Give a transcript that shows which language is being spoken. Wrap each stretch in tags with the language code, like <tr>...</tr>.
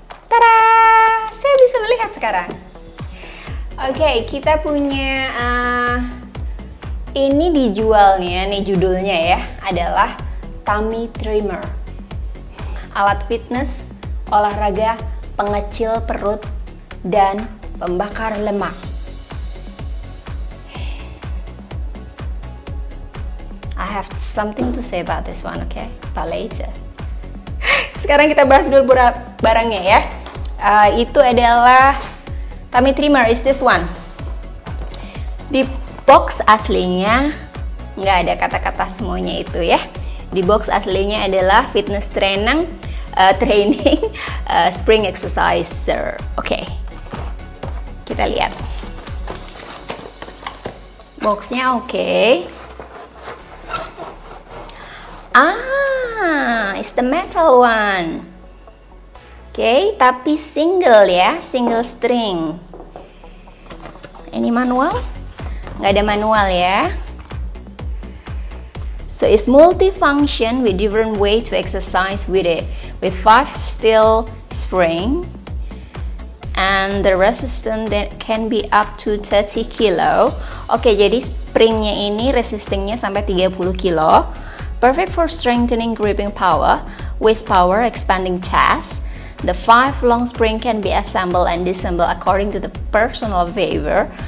<id>Tada, saya bisa melihat sekarang. Oke, kita punya ini dijualnya nih, judulnya ya adalah tummy trimmer, alat fitness olahraga pengecil perut dan pembakar lemak.</id> <en>I have something to say about this one, okay? But later.</en> <id>Sekarang kita bahas dulu barangnya ya. Itu adalah tummy trimmer,</id> <en>is this one.</en> <id>Di box aslinya nggak ada kata-kata semuanya itu ya. Di box aslinya adalah fitness training.</id> <en>Training spring exerciser. Oke.</en> <id>Kita lihat. Boxnya oke.</id> <en>Ah, it's the metal one.</en> <id>Oke, tapi single ya,</id> <en>single string.</en> <id>Ini manual? Nggak ada manual ya.</id> <en>So it's multifunction with different way to exercise with it, with five steel spring, and the resistance that can be up to 30 kilo.</en> <id>Okay, jadi springnya ini resistingnya sampai 30 kilo.</id> <en>Perfect for strengthening gripping power, waist power, expanding chest. The five long spring can be assembled and disassembled according to the personal favor.</en>